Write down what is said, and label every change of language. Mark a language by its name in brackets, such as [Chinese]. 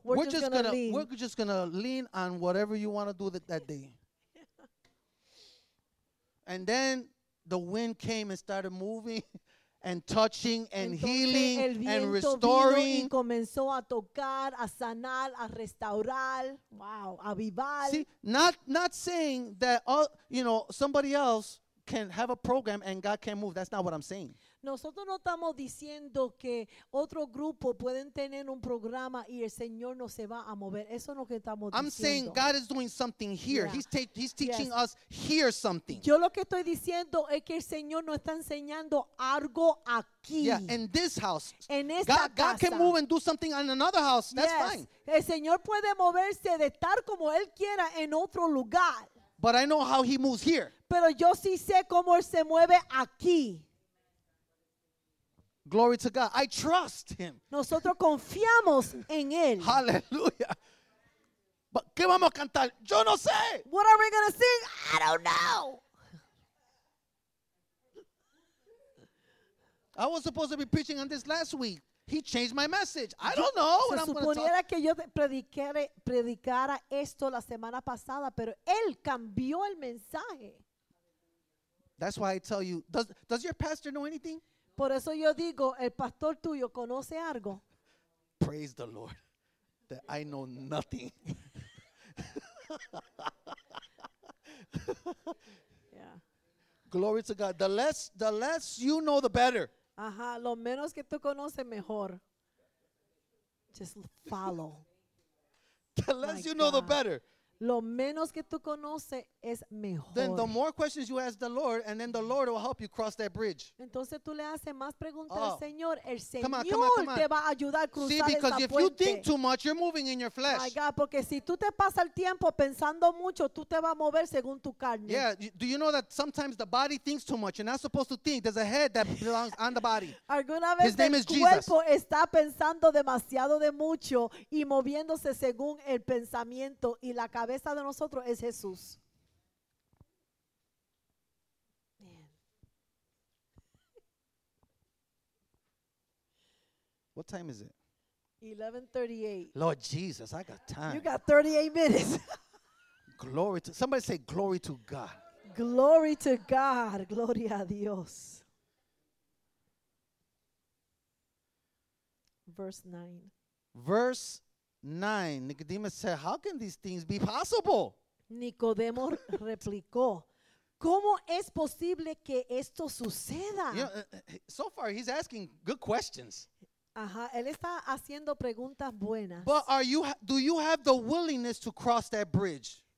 [English] We're just going to lean on whatever you want to do that day. And then the wind came and started moving and touching and [Spanish] entonces, [English] healing and restoring. [Spanish] Y comenzó a tocar, a sanar, a restaurar. Wow, a avivar. [English] See, not saying that somebody else can have a program and God can't move. That's not what I'm saying. [Spanish] Nosotros no estamos diciendo que otro grupo pueden tener un programa y el Señor no se va a mover. Eso es lo que estamos diciendo. [English] I'm saying God is doing something here. Yeah. He's teaching us here something. [Spanish] Yo lo que estoy diciendo es que el Señor nos está enseñando algo aquí. [English] Yeah, in this house. [Spanish] En esta [English] God, [Spanish] casa. [English] God can move and do something in another house. That's fine. [Spanish] El Señor puede moverse de estar como Él quiera en otro lugar. [English] But I know how He moves here. [Spanish] Pero yo sí sé cómo Él se mueve aquí. [English] Glory to God. I trust him. [Spanish] Nosotros confiamos en él. Hallelujah. But ¿qué vamos a cantar? Yo no sé. [English] What are we going to sing? I don't know. I was supposed to be preaching on this last week. He changed my message. I don't know what I'm going to talk. [Spanish] Se suponía que yo predicara esto la semana pasada, pero él cambió el mensaje. [English] That's why I tell you, does your pastor know anything? [Spanish] Por eso yo digo, el pastor tuyo conoce algo. [English] Praise the Lord that I know nothing. Yeah. Glory to God. The less you know, the better. [Spanish] Ajá, lo menos que tú conoces, mejor. [English] Just follow. The less you know, the better. [Spanish] Lo menos que tú conoces es mejor. [English] Then the more questions you ask the Lord, and then the Lord will help you cross that bridge. [Spanish] Entonces tú le haces más preguntas al Señor, el Señor [English] come on. [Spanish] Te va a ayudar a cruzar esa puente. [English] See, because if you think too much, you're moving in your flesh. My God, [Spanish] porque si tú te pasas el tiempo pensando mucho, tú te vas a mover según tu carne. [English] Yeah, do you know that sometimes the body thinks too much? You're not supposed to think. There's a head that belongs on the body. [Spanish] ¿Alguna vez [English] His name is Jesus. [Spanish] El cuerpo está pensando demasiado de mucho y moviéndose según el pensamiento y la cabeza. Cabeza de nosotros es Jesús. [English] What time is it? 11:38. Lord Jesus, I got time. You got 38 minutes. Glory to, somebody say glory to God. Glory to God. [Spanish] Gloria a Dios. [English] Verse 9. Nicodemus said, how can these things be possible? [Spanish] Nicodemo replicó, ¿cómo es posible que esto suceda? [English] You know, so far, he's asking good questions. [Spanish] Ajá, él está haciendo preguntas buenas. [English] But do you have the willingness to cross that bridge?